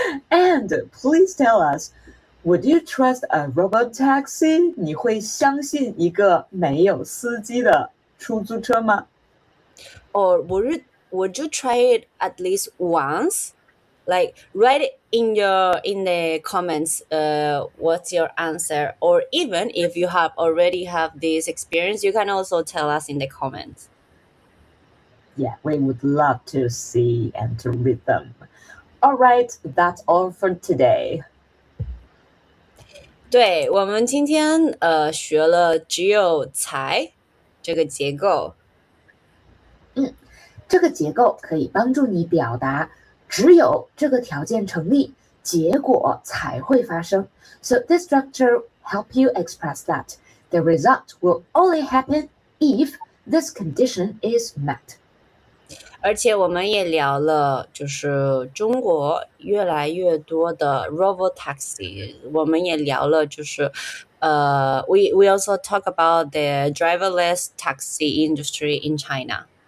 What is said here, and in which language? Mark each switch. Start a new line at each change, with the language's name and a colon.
English: And please tell us, would you trust a robot taxi?
Chinese: 你会相信一个没有司机的出租车吗？
English: Or would you try it at least once? Like, write it in the comments, what's your answer? Or even if you have already have this experience, you can also tell us in the comments. Yeah, we would love to see and to read them. All right, that's all for today.
Chinese: 对，我们今天学了只有才这个结构。这个结构可以帮助你表达只有这个条件成立，结果才会发生。
English: So this structure help you express that the result will only happen if this condition is met.
Chinese: 而且我们也聊了，就是中国越来越多的 robot taxi， 我们也聊了，就是
English: we also talk about the driverless taxi industry in China.